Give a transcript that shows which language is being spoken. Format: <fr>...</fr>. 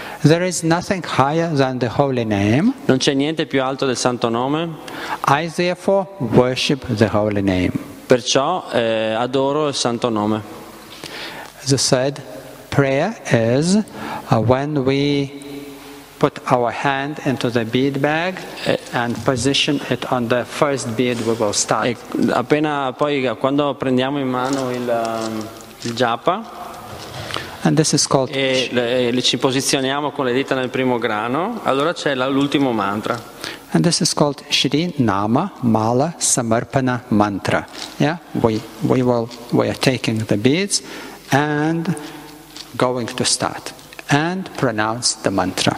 <en>There is nothing higher than the holy name.</en> <it>Non c'è niente più alto del santo nome.</it> <en>I therefore worship the holy name.</en> <it>Perciò adoro il santo nome.</it> <en>The third prayer is when we put our hand into the bead bag and position it on the first bead we will start.</en> <it>E appena poi quando prendiamo in mano il japa.</it> <en>And this is called.</en> <it>E ci posizioniamo con le dita nel primo grano. Allora c'è l'ultimo mantra.</it> <en>And this is called Shri Nama Mala Samarpana Mantra. Yeah, we are taking the beads. And going to start and pronounce the mantra.</en>